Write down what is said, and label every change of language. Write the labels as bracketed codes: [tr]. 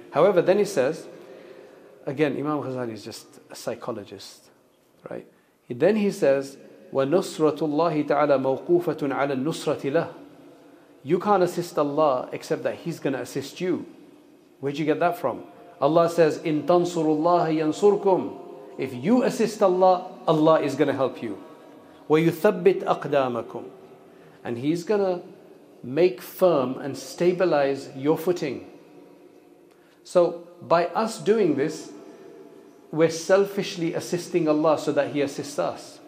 [en] However, then he says, again, Imam Ghazali is just a psychologist, right? Then he says, [ar] وَنُصْرَةُ اللَّهِ تَعَلَى مَوْقُوفَةٌ عَلَى النُّصْرَةِ لَهِ. [en] You can't assist Allah except that He's going to assist you. Where'd you get that from? Allah says, [ar] إِن تَنْصُرُ اللَّهَ يَنْصُرْكُمْ. [en] If you assist Allah, Allah is going to help you. [ar] وَيُثَبِّتْ أَقْدَامَكُمْ. [en] And He's going to make firm and stabilize your footing. So by us doing this, we're selfishly assisting Allah so that He assists us.